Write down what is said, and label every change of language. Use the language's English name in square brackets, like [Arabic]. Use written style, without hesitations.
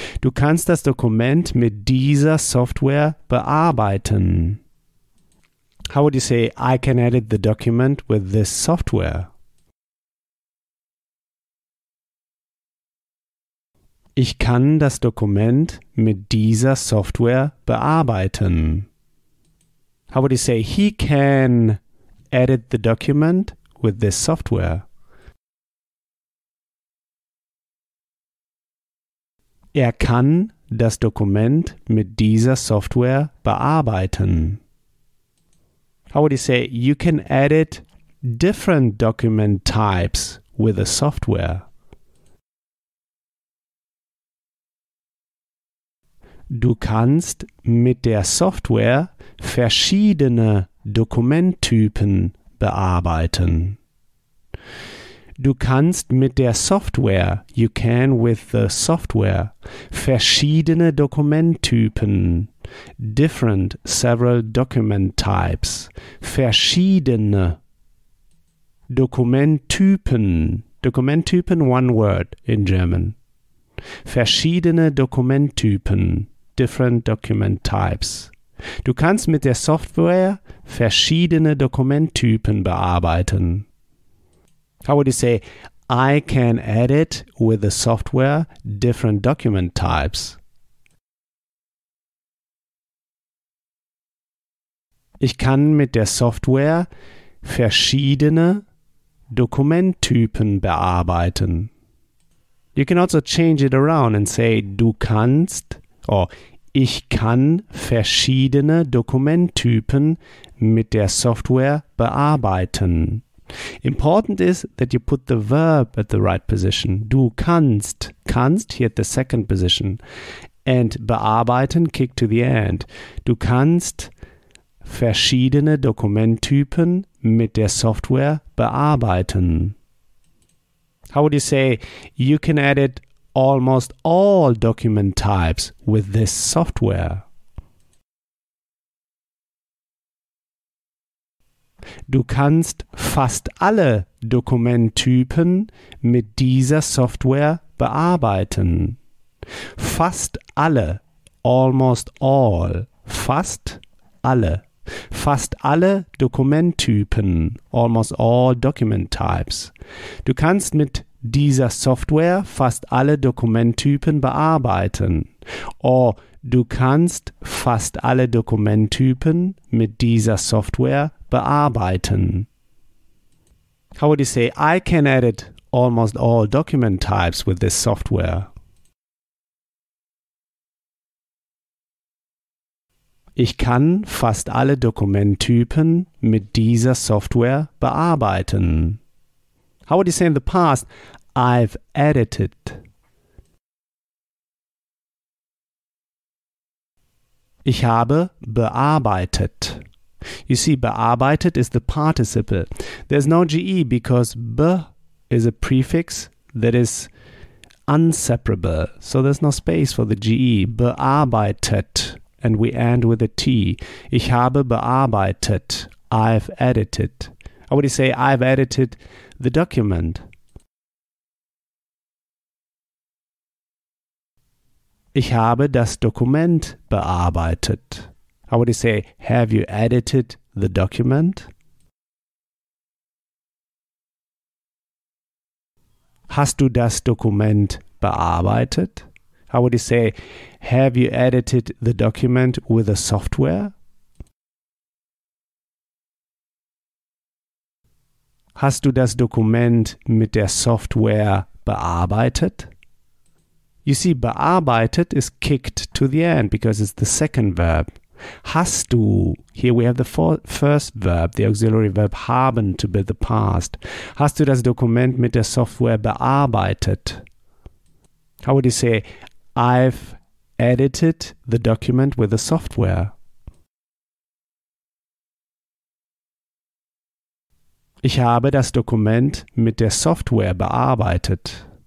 [German] Du kannst das Dokument mit dieser Software bearbeiten. [English] How would you say, I can edit the document with this software? [German] Ich kann das Dokument mit dieser Software bearbeiten. [English] How would you say, he can edit the document with this software? [German] Er kann das Dokument mit dieser Software bearbeiten. [English] How would you say, you can edit different document types with a software? [German] Du kannst mit der Software verschiedene Dokumenttypen bearbeiten. Du kannst mit der Software, [English] you can with the software, [German] verschiedene Dokumenttypen, [English] different, several document types, [German] verschiedene Dokumenttypen, Dokumenttypen, [English] one word in German, [German] verschiedene Dokumenttypen, [English] different document types. [German] Du kannst mit der Software verschiedene Dokumenttypen bearbeiten. [English] How would you say, I can edit with the software different document types? [German] Ich kann mit der Software verschiedene Dokumenttypen bearbeiten. [English] You can also change it around and say, [German] du kannst, [English] or [German] ich kann verschiedene Dokumenttypen mit der Software bearbeiten. [English] Important is that you put the verb at the right position. [German] Du kannst, kannst [English] here at the second position. And [German] bearbeiten, [English] kick to the end. [German] Du kannst verschiedene Dokumenttypen mit der Software bearbeiten. [English] How would you say, you can edit almost all document types with this software? [German] Du kannst fast alle Dokumenttypen mit dieser Software bearbeiten. Fast alle, [English] almost all, [German] fast alle. Fast alle Dokumenttypen, [English] almost all document types. [German] Du kannst mit dieser Software fast alle Dokumenttypen bearbeiten. Or du kannst fast alle Dokumenttypen mit dieser Software bearbeiten. [English] How would you say, I can edit almost all document types with this software? [German] Ich kann fast alle Dokumenttypen mit dieser Software bearbeiten. [English] How would you say in the past, I've edited? [German] Ich habe bearbeitet. [English] You see, bearbeitet is the participle. There's no GE because be is a prefix that is inseparable. So there's no space for the GE. Bearbeitet. And we end with a T. [German] Ich habe bearbeitet. [English] I've edited. How would you say, I've edited the document? [German] Ich habe das Dokument bearbeitet. [English] How would you say, have you edited the document? [German] Hast du das Dokument bearbeitet? [English] How would you say, have you edited the document with the software? [German] Hast du das Dokument mit der Software bearbeitet? [English] You see, bearbeitet is kicked to the end because it's the second verb. [German] Hast du, [English] here we have the first verb, the auxiliary verb haben to be the past. [German] Hast du das Dokument mit der Software bearbeitet? [English] How would you say, I've edited the document with the software. [German] Ich habe das Dokument mit der Software bearbeitet.